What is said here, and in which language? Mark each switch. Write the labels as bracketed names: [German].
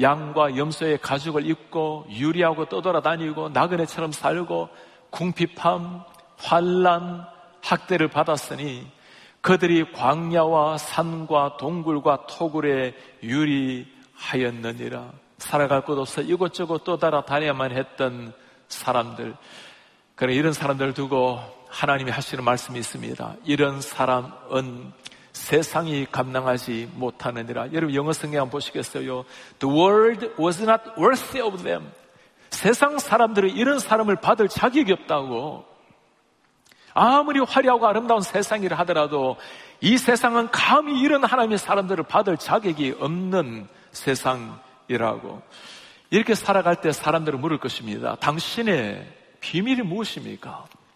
[Korean] 양과 염소의 가죽을 입고 유리하고 떠돌아다니고 나그네처럼 살고, 궁핍함, 환란, 학대를 받았으니 그들이 광야와 산과 동굴과 토굴에 유리하였느니라. 살아갈 곳 없어 이곳저곳 떠돌아다녀야만 했던 사람들. 그러나 이런 사람들 두고 하나님이 하시는 말씀이 있습니다. 이런 사람은 세상이 감당하지 못하느니라. 여러분 영어성경 보시겠어요? [English] The world was not worthy of them. [Korean] 세상 사람들은 이런 사람을 받을 자격이 없다고. 아무리 화려하고 아름다운 세상이라 하더라도 이 세상은 감히 이런 하나님의 사람들을 받을 자격이 없는 세상이라고. 이렇게 살아갈 때 사람들은 물을 것입니다. 당신의 비밀이 무엇입니까?